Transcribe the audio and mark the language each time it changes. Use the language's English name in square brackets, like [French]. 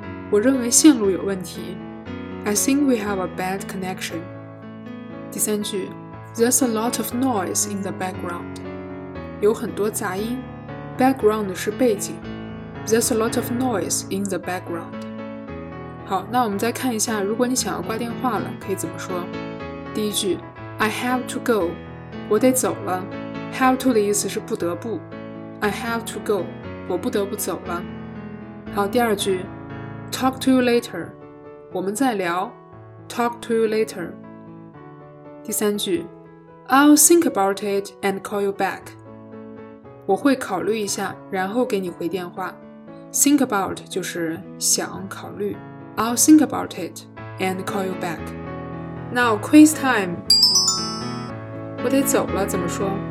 [Chinese] 我认为线路有问题。 [English] I think we have a bad connection. [Chinese] 第三句 [English] There's a lot of noise in the background. [Chinese] 有很多杂音。Background 是背景。 [English] There's a lot of noise in the background. [Chinese] 好，那我们再看一下，如果你想要挂电话了，可以怎么说？第一句 ， [English] I have to go， [Chinese] 我得走了。 Have to 的意思是不得不。 [English] I have to go， [Chinese] 我不得不走了。好，第二句 ， [English] Talk to you later， [Chinese] 我们再聊。 [English] Talk to you later。 [Chinese] 第三句 [English] ，I'll think about it and call you back。 [Chinese] 我会考虑一下，然后给你回电话。 Think about 就是想考虑。 [English] I'll think about it and call you back. Now quiz time. [Chinese] 我得走了，怎么说？